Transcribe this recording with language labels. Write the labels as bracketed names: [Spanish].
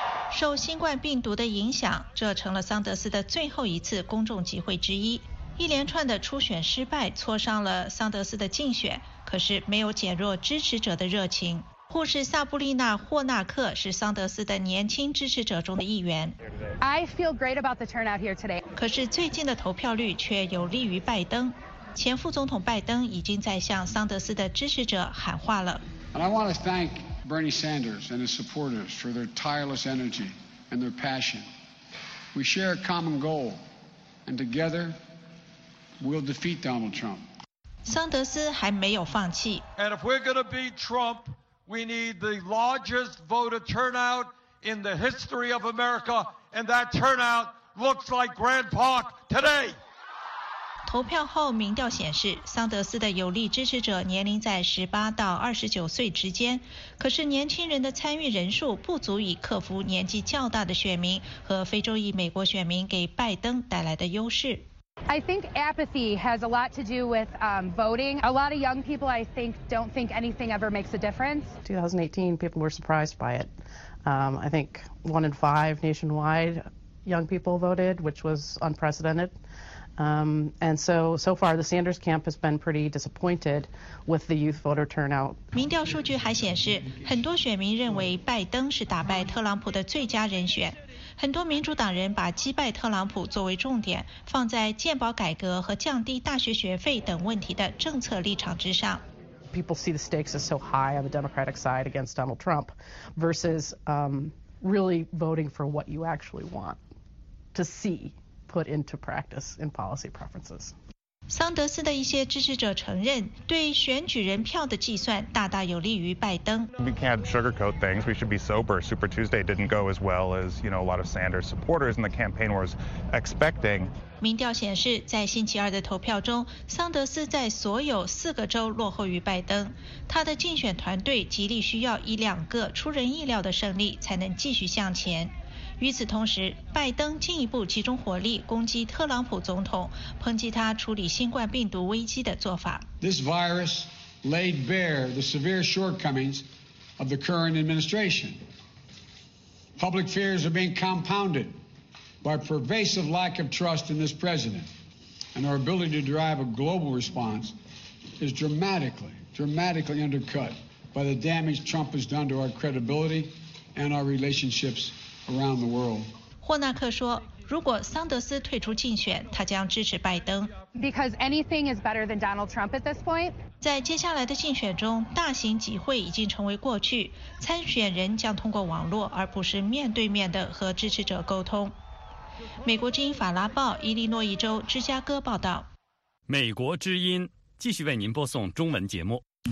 [Chinese] 受新冠病毒的影响，这成了桑德斯的最后一次公众集会之一。一连串的初选失败挫伤了桑德斯的竞选，可是没有减弱支持者的热情。护士萨布丽娜·霍纳克是桑德斯的年轻支持者中的一员。 [English] I feel great about the turnout here today. [Chinese] 可是最近的投票率却有利于拜登。前副总统拜登已经在向桑德斯的支持者喊话了。 [English] And I want to thank Bernie Sanders and his supporters for their tireless energy and their passion. We share a common goal, and together we'll defeat Donald Trump. [Chinese] 桑德斯还没有放弃。 [English] And if we're going to beat Trump, we need the largest voter turnout in the history of America, and that turnout looks like Grand Park today. [Chinese] 投票后，民调显示，桑德斯的有力支持者年龄在18到29岁之间，可是年轻人的参与人数不足以克服年纪较大的选民和非洲裔美国选民给拜登带来的优势。 [English] I think apathy has a lot to do with voting. A lot of young people, I think, don't think anything ever makes a difference. 2018, people were surprised by it. I think 1 in 5 nationwide young people voted, which was unprecedented. And so far, the Sanders camp has been pretty disappointed with the youth voter turnout. [Chinese] 民调数据还显示，很多选民认为拜登是打败特朗普的最佳人选。很多民主党人把击败特朗普作为重点，放在健保改革和降低大学学费等问题的政策立场之上。 [English] People see the stakes as so high on the Democratic side against Donald Trump, versus really voting for what you actually want to see. Put into practice in policy preferences. [Chinese] 桑德斯的一些支持者承认，对选举人票的计算大大有利于拜登。 [English] We can't sugarcoat things. We should be sober. Super Tuesday didn't go as well as you know a lot of Sanders supporters in the campaign was expecting. [Chinese] 民调显示，在星期二的投票中，桑德斯在所有4个州落后于拜登。他的竞选团队极力需要一两个出人意料的胜利，才能继续向前。与此同时，拜登进一步集中火力攻击特朗普总统，抨击他处理新冠病毒危机的做法。 [English] This virus laid bare the severe shortcomings of the current administration. Public fears are being compounded by pervasive lack of trust in this president, and our ability to drive a global response is dramatically undercut by the damage Trump has done to our credibility and our relationships. Around the world. [Chinese] 霍纳克说，如果桑德斯退出竞选，他将支持拜登。 [English] Because anything is better than Donald Trump at this point. [Chinese] 在接下来的竞选中，大型集会已经成为过去，参选人将通过网络，而不是面对面的和支持者沟通。美国之音法拉报，伊利诺伊州芝加哥报道。美国之音继续为您播送中文节目。